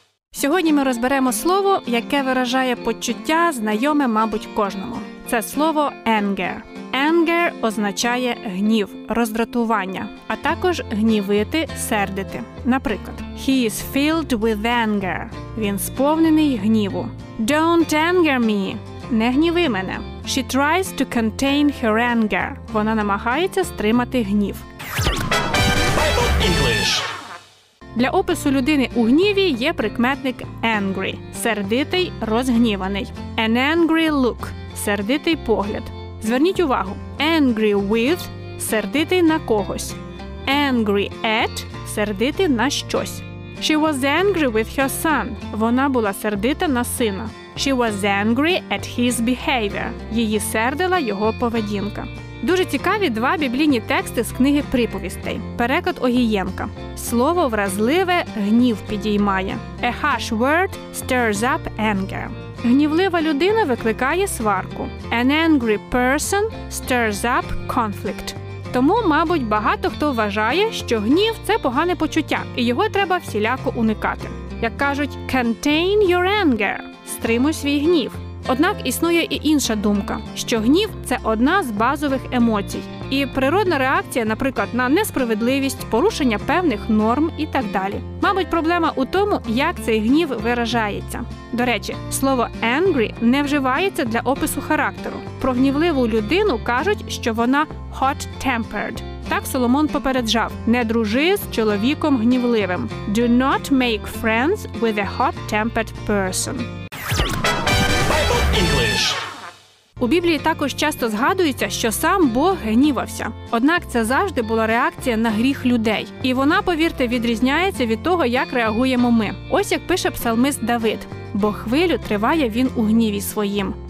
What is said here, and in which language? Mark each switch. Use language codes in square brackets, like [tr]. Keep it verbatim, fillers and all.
[uk] Сьогодні ми розберемо слово, яке виражає почуття, знайоме, мабуть, кожному. Це слово anger. Anger означає гнів, роздратування, а також гнівити, сердити. Наприклад, [en] He is filled with anger. [uk] Він сповнений гніву. [en] Don't anger me. [uk] Не гніви мене. [en] She tries to contain her anger. [uk] Вона намагається стримати гнів. [en] Bible English. [uk] Для опису людини у гніві є прикметник angry – сердитий, розгніваний. [en] An angry look – [uk] сердитий погляд. Зверніть увагу, angry with – сердитий на когось. [en] Angry at [uk] – сердитий на щось. [en] She was angry with her son. [uk] Вона була сердита на сина. [en] She was angry at his behavior. [uk] Її сердила його поведінка. Дуже цікаві два біблійні тексти з книги приповістей. Переклад Огієнка. Слово вразливе гнів підіймає. [en] A harsh word stirs up anger. [uk] Гнівлива людина викликає сварку. [en] An angry person stirs up conflict. [uk] Тому, мабуть, багато хто вважає, що гнів – це погане почуття, і його треба всіляко уникати. Як кажуть, [en] contain your anger [uk] – стримуй свій гнів. Однак існує і інша думка, що гнів – це одна з базових емоцій. І природна реакція, наприклад, на несправедливість, порушення певних норм і так далі. Мабуть, проблема у тому, як цей гнів виражається. До речі, слово angry не вживається для опису характеру. Про гнівливу людину кажуть, що вона hot-tempered. Так Соломон попереджав: не дружи з чоловіком гнівливим. [en] Do not make friends with a hot-tempered person. English. [uk] У Біблії також часто згадується, що сам Бог гнівався. Однак це завжди була реакція на гріх людей. І вона, повірте, відрізняється від того, як реагуємо ми. Ось як пише псалмист Давид. «Бо хвилю триває він у гніві своїм.